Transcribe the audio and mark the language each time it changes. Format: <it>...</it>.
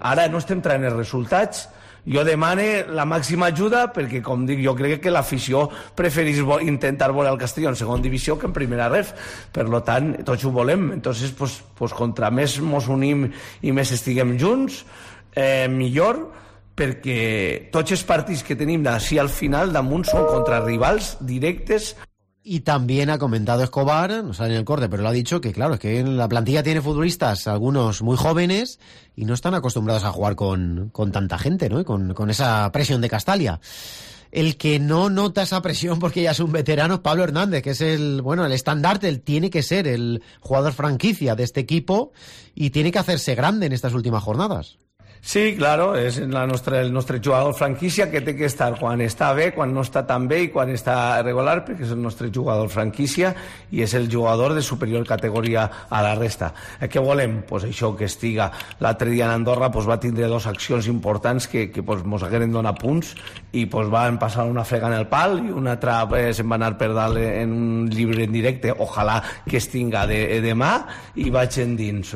<ca>Ara no estem traient els resultats. Jo demane la màxima ajuda, perquè, com dic, jo crec que l'afició preferís intentar voler el Castelló en segona divisió que en primera ref. Per lo tant, tots ho volem. Entonces, pues contra més mos unim i més estiguem junts, millor, perquè tots els partits que tenim d'ací al final damunt són contra rivals directes.</ca> <es>Y también ha comentado Escobar, no sale en el corte, pero lo ha dicho, que claro, es que la plantilla tiene futbolistas, algunos muy jóvenes, y no están acostumbrados a jugar con tanta gente, ¿no? Y con esa presión de Castalia. El que no nota esa presión, porque ya es un veterano, es Pablo Hernández, que es el estandarte, él tiene que ser el jugador franquicia de este equipo, y tiene que hacerse grande en estas últimas jornadas.</es> <ca>Sí, claro, és el nostre jugador franquícia, que té que estar quan està bé, quan no està tan bé i quan està regular, perquè és el nostre jugador franquícia i és el jugador de superior categoria a la resta. Què volem? Pues això, que estiga. L'altre dia en Andorra pues va tindre dues accions importants que pues mos hagueren donat punts, i pues van passar una frega en el pal i una altra se'n va anar per dalt en un llibre en directe, ojalà que estiga demà i vaig endins.</ca>